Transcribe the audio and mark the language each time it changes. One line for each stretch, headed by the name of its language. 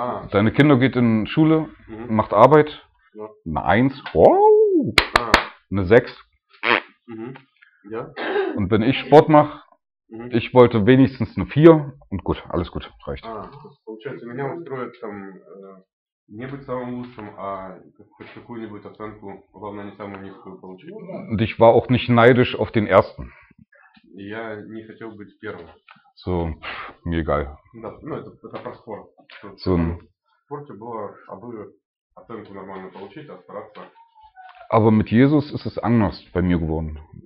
German: Deine Kinder geht in Schule, macht Arbeit. Eine 1. Wow. Eine 6. Ja. Und wenn ich Sport mache, ich wollte wenigstens eine 4 und gut, alles gut, reicht.
Russian: Получается, меня устроит там не быть самым лучшим, а хоть какую-нибудь оценку, главное, не самую низкую получить.
German: Und ich war auch nicht neidisch auf den ersten.
Russian: Я не хотел быть первым.
German: So,
Russian: мне
German: egal.
Russian: Да, ну это про спорт.
German: So,
Russian: в спорте было, а бы оценку нормально получить, а стараться.
German: Aber mit Jesus ist es anders bei mir geworden.